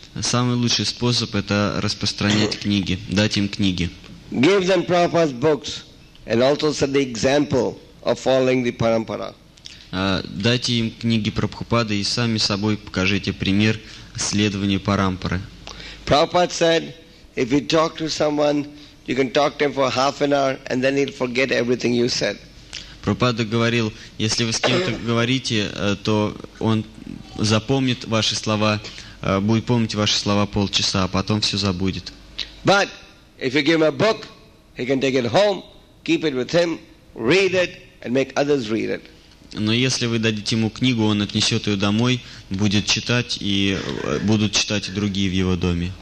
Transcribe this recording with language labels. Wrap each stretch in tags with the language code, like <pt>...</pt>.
<ru>Самый лучший способ – это распространять книги, дать им книги.</ru> <en>Give them Prabhupada's books and also set the example of following the parampara.</en> <ru>Дайте им книги Прабхупады и сами собой покажите пример следования парампары.</ru> <en>Prabhupada said, if you talk to someone, you can talk to him for half an hour and then he'll forget everything you said.</en> <ru>Прабхупада говорил, если вы с кем-то говорите, то он запомнит ваши слова будет помнить ваши слова полчаса, а потом все забудет.</ru> <en>But if you give him a book, he can take it home, keep it with him, read it, and make others read it.</en> <ru>Но если вы дадите ему книгу, он отнесет ее домой, будет читать, и будут читать и другие в его доме.</ru>